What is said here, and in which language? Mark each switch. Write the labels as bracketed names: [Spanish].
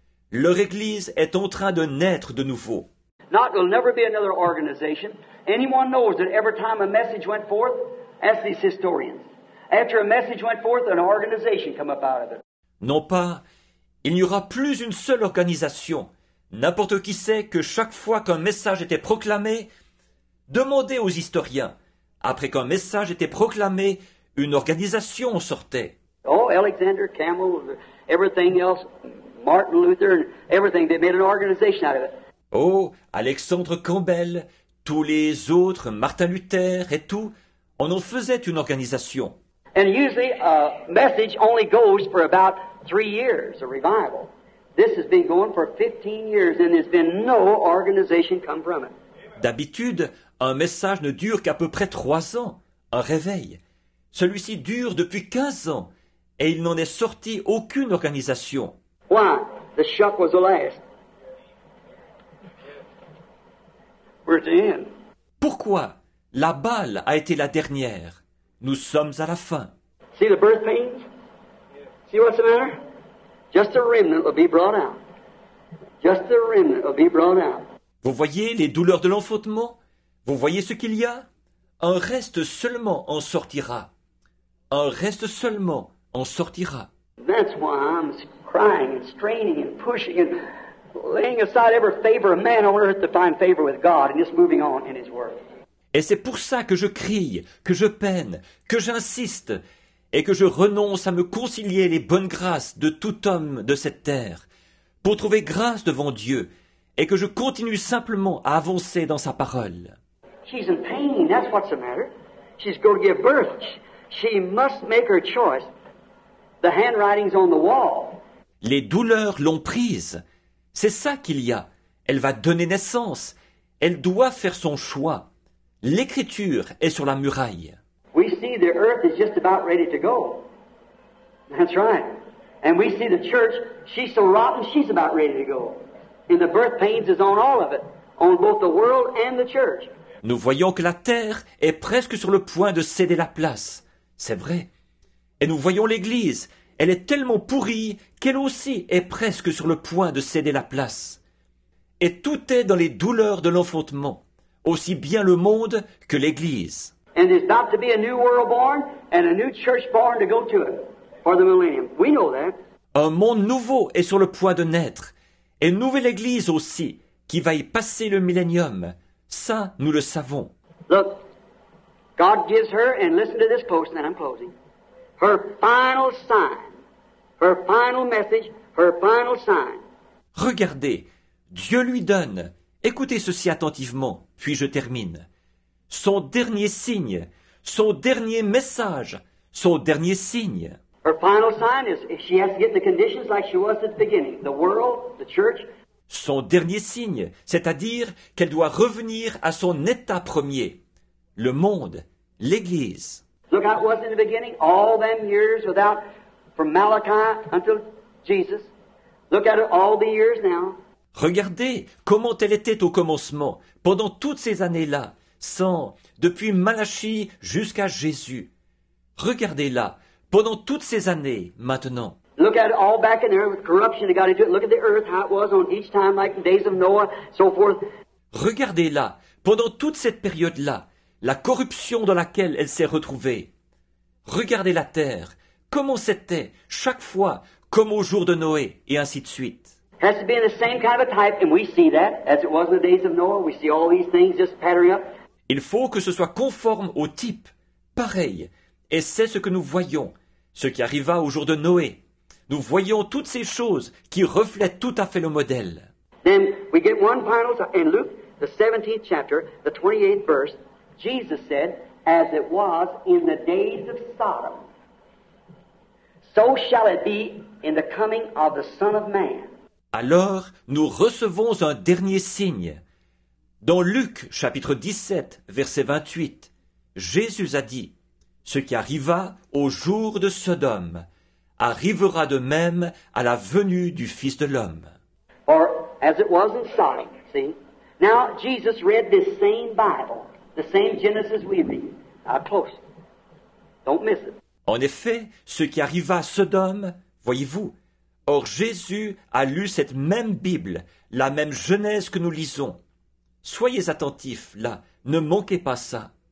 [French] Leur église est en train de naître de nouveau. [English] Not will never be another organization. Anyone knows that every time a message went forth, ask these historians. After a message went forth, an organization came up out of it. [French] Non pas. Il n'y aura plus une seule organisation. N'importe qui sait que chaque fois qu'un message était proclamé, demandez aux historiens. Après qu'un message était proclamé, une organisation sortait. [English] Oh, Alexander Campbell, everything else, Martin Luther, everything, they made an organization out of it. [French] Oh, Alexandre Campbell, tous les autres, Martin Luther et tout, on en faisait une organisation. [English] And usually a message only goes for about 3 years, a revival. This has been going for 15 years and there's been no organization come from it. [French] D'habitude, un message ne dure qu'à peu près 3 ans, un réveil. Celui-ci dure depuis 15 ans et il n'en est sorti aucune organisation. [English] Why? The shock was the last. We're at the end. [French] Pourquoi? La balle a été la dernière. Nous sommes à la fin. [English] See the birth pains? See what's the matter? Just a remnant will be brought out. Just a remnant will be brought out. [French] Vous voyez les douleurs de l'enfantement? Vous voyez ce qu'il y a? Un reste seulement en sortira. Un reste seulement en sortira. [English] That's why I'm crying and straining and pushing and laying aside every favor of man on earth to find favor with God and just moving on in his work. [French] Et c'est pour ça que je crie, que je peine, que j'insiste et que je renonce à me concilier les bonnes grâces de tout homme de cette terre pour trouver grâce devant Dieu et que je continue simplement à avancer dans sa parole. [English] She's in pain, that's what's the matter. She's going to give birth. She must make her choice. The handwriting's on the wall. [French] Les douleurs l'ont prise. C'est ça qu'il y a. Elle va donner naissance. Elle doit faire son choix. L'écriture est sur la muraille. [English] We see the earth is just about ready to go. That's right. And we see the church, she's so rotten, she's about ready to go. And the birth pains is on all of it, on both the world and the church. [French] Nous voyons que la terre est presque sur le point de céder la place. C'est vrai. Et nous voyons l'Église. Elle est tellement pourrie qu'elle aussi est presque sur le point de céder la place. Et tout est dans les douleurs de l'enfantement, aussi bien le monde que l'Église. [English] And there's about to be a new world born and a new church born to go to it for the millennium. We know that. [French] Un monde nouveau est sur le point de naître. Et une nouvelle Église aussi qui va y passer le millénium. Ça, nous le savons. [English] Look, God gives her, and listen to this post, and I'm closing. Her final sign, her final message, her final sign. [French] Regardez, Dieu lui donne, écoutez ceci attentivement, puis je termine. Son dernier signe, son dernier message, son dernier signe. [English] Her final sign is she has to get in the conditions like she was at the beginning, the world, the church. [French] Son dernier signe, c'est-à-dire qu'elle doit revenir à son état premier, le monde, l'Église. [English] Look how it was in the beginning, all them years without, from Malachi until Jesus. Look at it all the years now. [French] Regardez comment elle était au commencement, pendant toutes ces années-là, sans, depuis Malachi jusqu'à Jésus. Regardez-la, pendant toutes ces années, maintenant. [English] Look at it all back in there with corruption that got into it. Look at the earth, how it was on each time, like the days of Noah, so forth. [French] Regardez-la, pendant toute cette période-là, la corruption dans laquelle elle s'est retrouvée. Regardez la terre, comment c'était, chaque fois, comme au jour de Noé, et ainsi de suite. [English] It has to be in the same kind of a type, and we see that, as it was in the days of Noah. We see all these things just pattering up. [French] Il faut que ce soit conforme au type, pareil, et c'est ce que nous voyons, ce qui arriva au jour de Noé. Nous voyons toutes ces choses qui reflètent tout à fait le modèle. [English] Then we get one final in Luke, the 17th chapter, the 28th verse. Jesus said, as it was in the days of Sodom, so shall it be in the coming of the Son of Man. [French] Alors, nous recevons un dernier signe. Dans Luc, chapitre 17, verset 28, Jésus a dit, ce qui arriva au jour de Sodome arrivera de même à la venue du Fils de l'homme. [English] Or, as it was in Sodom, see? Now, Jesus read this same Bible. The same Genesis we read. Close. Don't miss it. [French] En effet, ce qui arriva à Sodome, voyez-vous, or Jésus a lu cette même Bible, la même Genèse que nous lisons. Soyez attentifs, là, ne manquez pas ça.